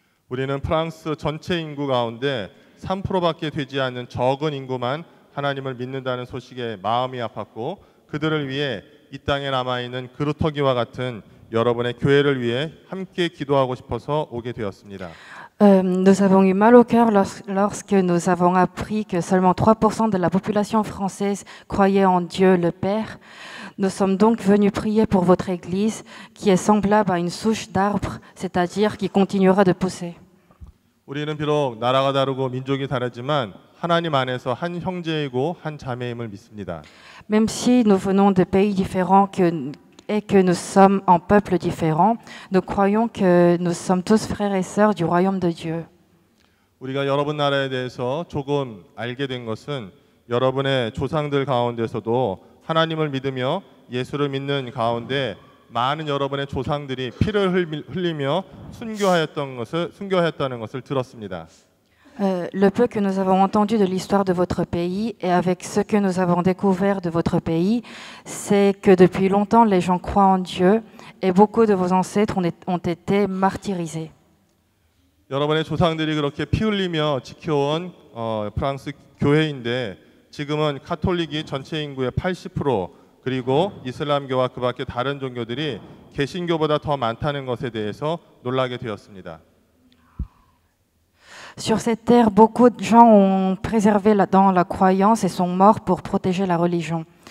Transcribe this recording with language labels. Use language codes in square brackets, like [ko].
[ko] 우리는 프랑스 전체 인구 가운데 3%밖에 되지 않는 적은 인구만 하나님을 믿는다는 소식에 마음이 아팠고 그들을 위해 이 땅에 남아 있는 그루터기와 같은 여러분의 교회를 위해 함께 기도하고 싶어서 오게 되었습니다. [fr] Nous avons eu mal au cœur lorsque nous avons appris que seulement 3% de la population française croyait en Dieu le Père. Nous sommes donc venus prier pour votre église qui est semblable à une souche d'arbre, c'est-à-dire qui continuera de pousser. [ko] 우리는 비록 나라가 다르고 민족이 다르지만 하나님 안에서 한 형제이고 한 자매임을 믿습니다. [fr] Même si nous venons de pays différents et que nous sommes un peuple différent, nous croyons que nous sommes tous frères et sœurs du royaume de Dieu. [ko] 우리가 여러분 나라에 대해서 조금 알게 된 것은 여러분의 조상들 가운데서도 하나님을 믿으며 예수를 믿는 가운데 많은 여러분의 조상들이 피를 흘리며 순교하였다는 것을 들었습니다. [fr] Le peu que nous avons entendu de l'histoire de votre pays et avec ce que nous avons découvert de votre pays, c'est que depuis longtemps les gens croient en Dieu et beaucoup de vos ancêtres ont été martyrisés. [ko] 여러분의 조상들이 그렇게 피 흘리며 지켜온 프랑스 교회인데 지금은 카톨릭이 전체 인구의 80% 그리고 이슬람교와 그 밖에 다른 종교들이 개신교보다 더 많다는 것에 대해서 놀라게 되었습니다. [fr] Sur cette terre, beaucoup de gens ont préservé dans la croyance et sont morts pour protéger la religion.